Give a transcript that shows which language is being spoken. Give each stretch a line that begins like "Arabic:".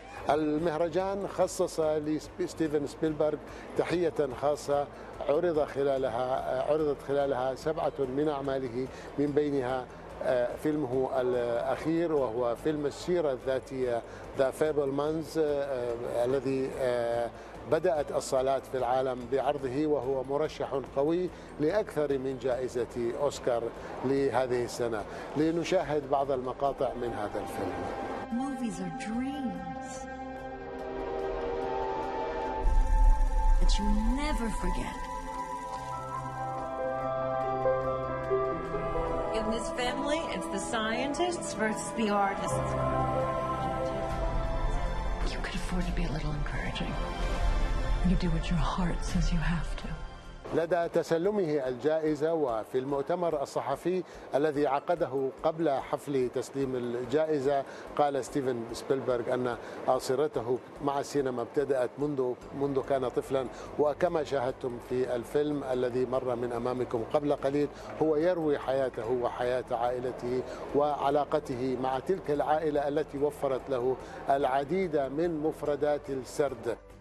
Arabic: المهرجان خصص لستيفن سبيلبرغ تحية خاصة عرضت خلالها 7 من أعماله، من بينها فيلمه الأخير وهو فيلم السيرة الذاتية The Fablemans، الذي بدأت الصالات في العالم بعرضه، وهو مرشح قوي لأكثر من جائزة أوسكار لهذه السنة. لنشاهد بعض المقاطع من هذا الفيلم.
English: Movies are dreams that you never forget. In this family, it's the scientists versus the artists. You could afford to be a little encouraging. You do what your heart says you have to.
Arabic: لدى تسلمه الجائزة وفي المؤتمر الصحفي الذي عقده قبل حفل تسليم الجائزة، قال ستيفن سبيلبرغ أن أسرته مع السينما ابتدأت منذ كان طفلا، وكما شاهدتم في الفيلم الذي مر من أمامكم قبل قليل، هو يروي حياته وحياة عائلته وعلاقته مع تلك العائلة التي وفرت له العديد من مفردات السرد.